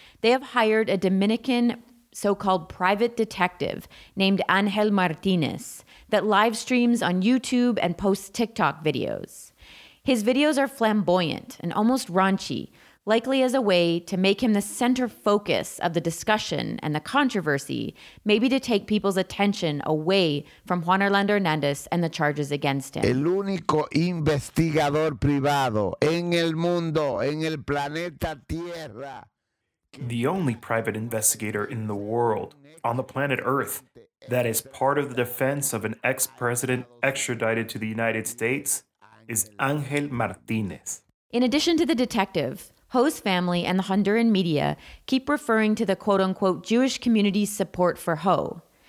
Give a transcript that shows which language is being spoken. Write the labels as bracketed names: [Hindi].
[English] They have hired a Dominican so-called private detective named Angel Martinez that live streams on YouTube and posts TikTok videos. His videos are flamboyant and almost raunchy, likely as a way to make him the center focus of the discussion and the controversy, maybe to take people's attention away from Juan Orlando Hernandez and the charges against him. [Spanish] El único investigador privado en el mundo, en el planeta Tierra. [English] The only private investigator in the world, on the planet Earth, that is part of the defense of an ex-president extradited to the United States, is Angel Martinez. In addition to the detective, Ho's family and the Honduran media keep referring to the quote-unquote Jewish community's support for Ho.